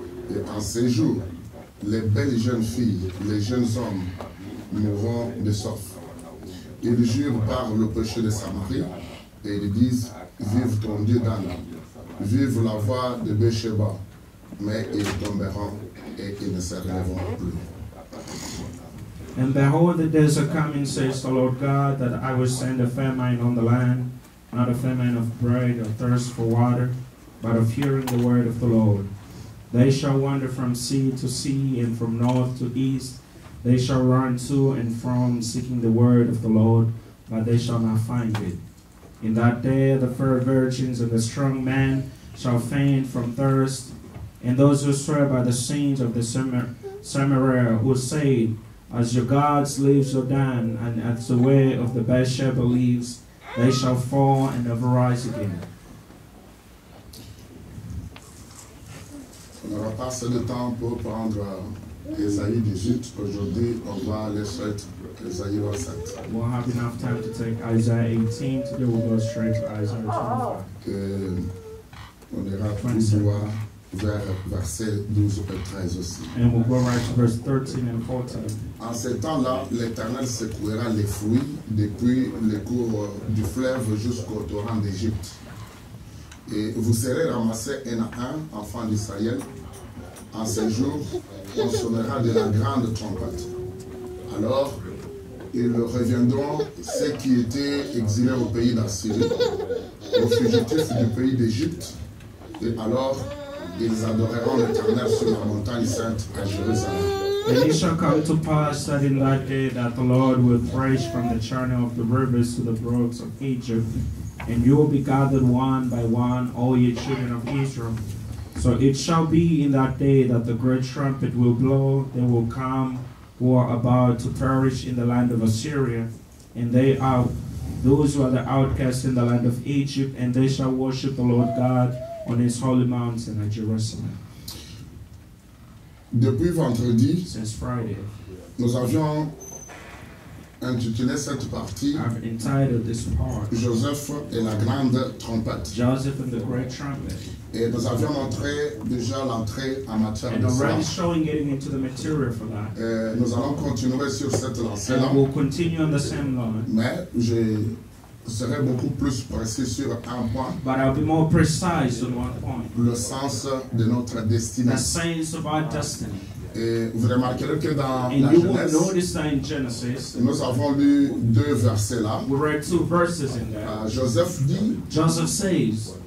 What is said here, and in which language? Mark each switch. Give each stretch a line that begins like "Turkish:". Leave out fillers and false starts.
French: Et en ces jours, les belles jeunes filles, les jeunes hommes mourront de soif. Ils jurent par le péché de Samarie et ils disent, vive ton Dieu Dana, vive la voix de Bécheba. Mais ils tomberont et ils ne se relèveront plus.
English: And behold, the days are coming, says the Lord God, that I will send a famine on the land, not a famine of bread or thirst for water, but of hearing the word of the Lord. They shall wander from sea to sea and from north to east. They shall run to and from seeking the word of the Lord, but they shall not find it. In that day the fair virgins and the strong men shall faint from thirst, and those who swear by the sins of the Samaria who say, as your gods live Jordan, and as the way of the Beersheba lives, they shall fall and never rise again.
French: On aura passé le temps pour prendre Esaïe 18. Aujourd'hui, on va aller straight à Esaïe 27.
English: We'll have enough time to take Isaiah 18. Today we'll go straight to Isaiah 25.
French: On ira tout droit vers verset 12 et 13 aussi.
English: And we'll go right to verse 13 and 14.
French: En ce temps-là, l'Éternel secouera les fruits depuis le cours du fleuve jusqu'au torrent d'Égypte. Et vous serez ramassés un à un, enfants d'Israël. En ces jours, on sonnera de la grande trompette. Alors, ils reviendront ceux qui étaient exilés au pays d'Assyrie, aux fugitifs du pays d'Égypte. Et alors, ils adoreront l'Éternel sur la montagne sainte à Jérusalem.
English: And it shall come to pass that in that day that the Lord will thresh from the channel of the rivers to the brooks of Egypt. And you will be gathered one by one, all ye children of Israel. So it shall be in that day that the great trumpet will blow, they will come who are about to perish in the land of Assyria. And they are those who are the outcasts in the land of Egypt, and they shall worship the Lord God on his holy mountain at Jerusalem.
French: Depuis vendredi,
English: since Friday,
French: nous avions intitulé cette partie
English: I've entitled this part,
French: Joseph et la grande trompette.
English: Joseph and the great trumpet.
French: Et nous avions montré déjà l'entrée en matière
English: and
French: de
English: already Showing getting into the material for that.
French: Et nous allons continuer sur cette lancée-là.
English: And we'll continue on the same line.
French: Mais je serai beaucoup plus précis sur un point.
English: But I'll be more precise on one point.
French: Le sens de notre destinée.
English: The sense of our destiny.
French: Et vous remarquerez que dans
English: and
French: la Genèse,
English: Genesis,
French: nous avons lu deux versets là.
English: We read two verses in there.
French: Joseph dit,
English: Joseph says,